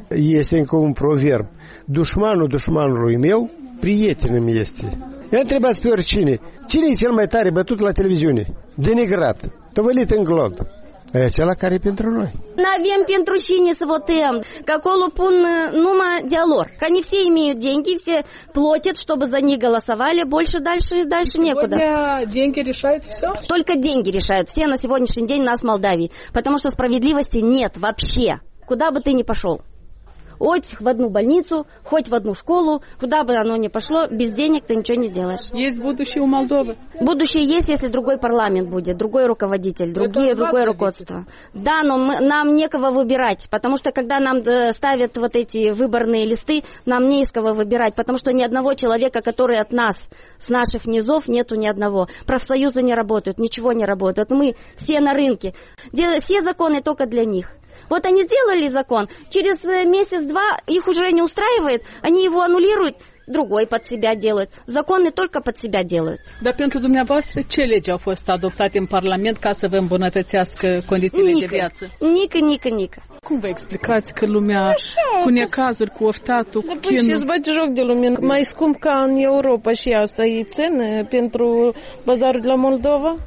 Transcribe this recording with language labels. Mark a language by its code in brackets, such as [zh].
[ro] Este încă un proverb. Dușmanul dușmanului meu, prietenul meu este. Ia întrebați pe oricine, cine e cel mai tare bătut la televiziune? Denigrat, tăvălit în glob. E acela care e pentru noi. N-avem pentru cine să votăm, că acolo pun numai de-a lor. [ru] Că ni все имеют деньги, все платят, чтобы за них голосовали, больше дальше некуда. Сегодня деньги решают все? Только деньги решают все на сегодняшний день у нас в Молдавии. Потому что справедливости нет вообще, куда бы ты ни пошел. Хоть в одну больницу, хоть в одну школу, куда бы оно ни пошло, без денег ты ничего не сделаешь. Есть будущее у Молдовы? Будущее есть, если другой парламент будет, другой руководитель, другое руководство. Да, но нам некого выбирать, потому что когда нам ставят вот эти выборные листы, нам не из кого выбирать, потому что ни одного человека, который от нас, с наших низов, нету ни одного. Профсоюзы не работают, ничего не работает. Мы все на рынке. Все законы только для них. Вот они сделали закон, через месяц-два их уже не устраивает, они его аннулируют, другой под себя делают. Законы только под себя делают. [ro] Да, pentru dumneavoastră, ce legi au fost adoptate în Parlament ca să vă îmbunătățească condițiile de viață? Nică. Cum vă explicați că lumea așa, cu necazuri, cu oftatul, cu chinul? Și-ți bate joc de lumină. Mai scump ca în Europa și asta e țină pentru bazarul de la Moldova.